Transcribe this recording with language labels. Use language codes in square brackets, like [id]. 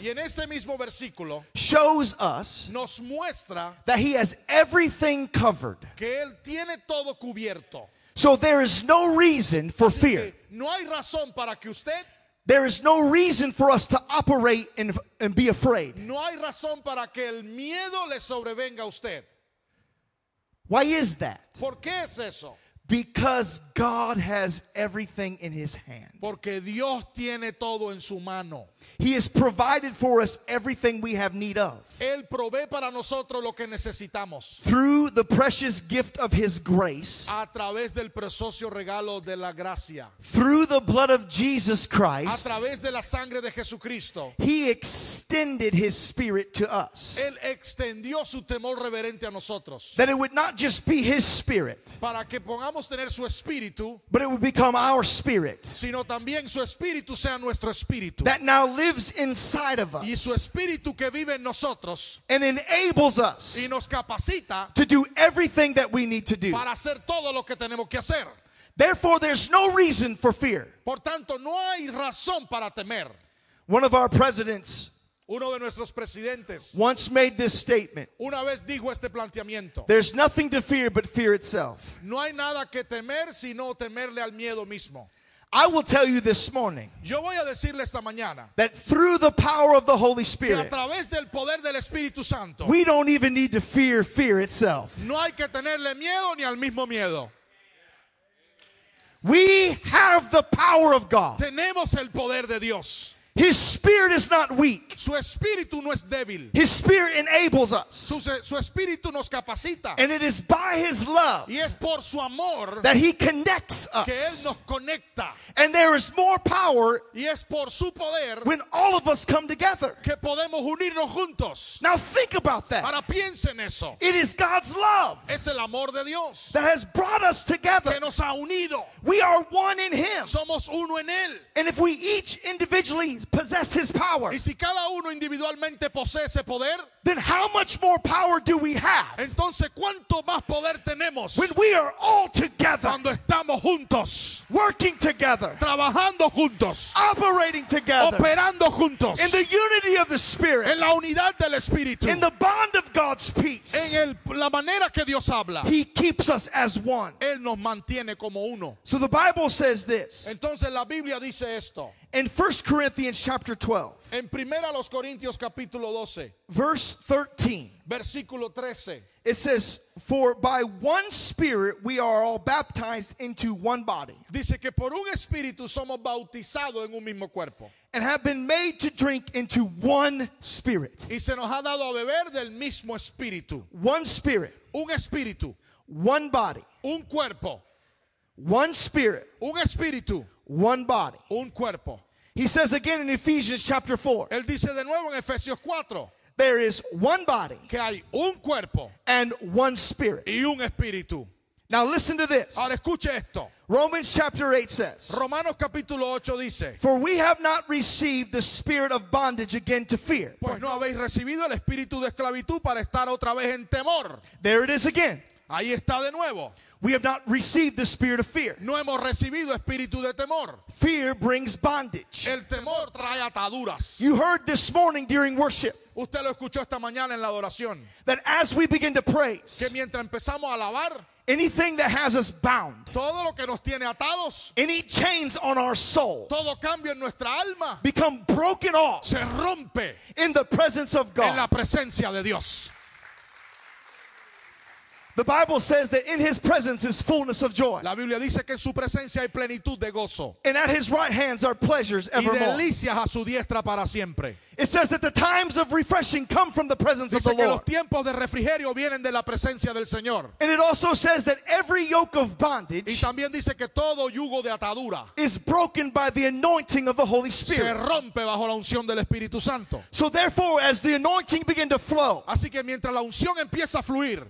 [es] Y en este mismo versículo. [en] Shows us. [es] Nos muestra. [en] That he has everything covered. [es] Que él tiene todo cubierto. [en] So there is no reason for fear. [es] No hay razón para que usted. [en] There is no reason for us to operate and be afraid. [es] No hay razón para que el miedo le sobrevenga a usted. [en] Why is that? [es] ¿Por qué es eso? [en] Because God has everything in his hand. [es] Porque Dios tiene todo en su mano. [en] He has provided for us everything we have need of. [es] Él provee para nosotros lo que necesitamos. [en] Through the precious gift of his grace. [es] A través del precioso regalo de la gracia. [en] Through the blood of Jesus Christ. [es] A través de la sangre de Jesucristo. [en] He extended his spirit to us. [es] Él extendió su temor reverente a nosotros. [en] That it would not just be his spirit. [es] Para que pongamos tener su espíritu. [en] But it would become our spirit. [es] Sino también su espíritu sea nuestro espíritu. [en] That now lives inside of us. [es] Y su espíritu que vive en nosotros. [en] And enables us. [es] Y nos capacita. [en] To do everything that we need to do. [es] Para hacer todo lo que tenemos que hacer. [en] Therefore, there's no reason for fear. [es] Por tanto, no hay razón para temer. [en] One of our presidents, [es] uno de nuestros presidentes, [en] once made this statement. [es] Una vez dijo este planteamiento. [en] There's nothing to fear but fear itself. [es] No hay nada que temer sino temerle al miedo mismo. [en] I will tell you this morning, [es] yo voy a decirle esta mañana, [en] that through the power of the Holy Spirit, [es] que a través del poder del Espíritu Santo, [en] we don't even need to fear fear itself. [es] No hay que tenerle miedo ni al mismo miedo. [en] We have the power of God. [es] Tenemos el poder de Dios. [en] His Spirit is not weak. [es] Su espíritu no es débil. [en] His Spirit enables us. [es] Su espíritu nos capacita. [en] And it is by His love, [es] y es por su amor, [en] that He connects us. [es] Que él nos conecta. [en] And there is more power, [es] y es por su poder, [en] when all of us come together. [es] Que podemos unirnos juntos. [en] Now think about that. [es] Ahora piensen eso. [en] It is God's love, [es] es el amor de Dios, [en] that has brought us together. [es] Que nos ha unido. [en] We are one in Him. [es] Somos uno en él. [en] And if we each individually possess His power, [es] y si cada uno individualmente posee ese poder, [en] then how much more power do we have? [es] Entonces, ¿cuánto más poder tenemos? [en] When we are all together, [es] cuando estamos juntos, [en] working together, [es] trabajando juntos, [en] operating together, [es] operando juntos, [en] in the unity of the Spirit, [es] en la unidad del Espíritu, [en] in the bond of God's peace, [es] en la manera que Dios habla, [en] He keeps us as one. [es] Él nos mantiene como uno. [en] So the Bible says this. [es] Entonces la Biblia dice esto. [en] In 1 Corinthians chapter 12. [es] En Primera los Corintios capítulo 12. [en] Verse 13. [es] Versículo 13. [en] It says, "For by one Spirit we are all baptized into one body." [es] Dice que por un espíritu somos bautizados en un mismo cuerpo. [en] "And have been made to drink into one Spirit." [es] Y se nos ha dado a beber del mismo espíritu. [en] One Spirit. [es] Un espíritu. [en] One body. [es] Un cuerpo. [en] One Spirit. [es] Un espíritu. [en] One body. [es] Un cuerpo. [en] He says again in Ephesians chapter 4. [es] Él dice de nuevo en Efesios 4. [en] There is one body. [es] Que hay un cuerpo. [en] And one Spirit. [es] Y un espíritu. [en] Now listen to this. [es] Ahora escuche esto. [en] Romans chapter 8 says. [es] Romanos capítulo 8 dice. [en] For we have not received the spirit of bondage again to fear. [es] Pues no habéis recibido el espíritu de esclavitud para estar otra vez en temor. [en] There it is again. [es] Ahí está de nuevo. [en] We have not received the spirit of fear. [es] No hemos recibido espíritu de temor. [en] Fear brings bondage. [es] El temor trae ataduras. [en] You heard this morning during worship. [es] Usted lo escuchó esta mañana en la adoración. [en] That as we begin to praise, [es] que mientras empezamos a alabar, [en] anything that has us bound, [es] todo lo que nos tiene atados, [en] any chains on our soul, [es] todo cambio en nuestra alma, [en] become broken off, [es] se rompe, [en] in the presence of God, [es] en la presencia de Dios. [en] The Bible says that in His presence is fullness of joy. [es] La Biblia dice que en su presencia hay plenitud de gozo. [en] And at His right hands are pleasures evermore. [es] Y delicias a su diestra para siempre. [en] It says that the times of refreshing come from the presence [es] dice [en] of the Lord. [es] Dice que los tiempos de refrigerio vienen de la presencia del Señor. [en] And it also says that every yoke of bondage, [es] y también dice que todo yugo de atadura, [en] is broken by the anointing of the Holy Spirit. [es] Se rompe bajo la unción del Espíritu Santo. [en] So therefore, as the anointing begin to flow, [es] así que mientras la unción empieza a fluir,